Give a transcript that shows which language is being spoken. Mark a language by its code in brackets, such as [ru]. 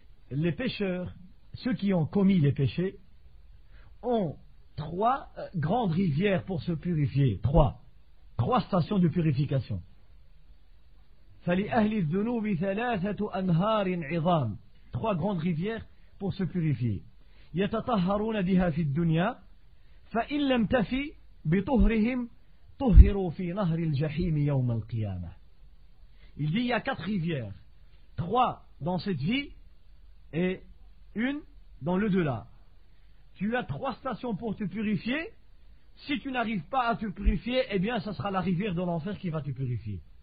[fr] Les pécheurs, ceux qui ont commis les péchés, ont trois grandes rivières pour se purifier. Trois stations de purification. [ar] فَلِ أَهْلِ الذُّنُوبِ ثَلَاثَةُ أَنْهَارٍ عِظَامٍ. [fr] Trois grandes rivières pour se purifier. [ar] يتطهرون بها في الدنيا فإن لم تفي بطهرهم طهروا في نهر الجحيم يوم القيامة. [fr] Il dit il y a quatre rivières, trois dans cette vie et une dans l'au-delà. Tu as trois stations pour te purifier. Si tu n'arrives pas à te purifier, eh bien ça sera la rivière de l'enfer qui va te purifier.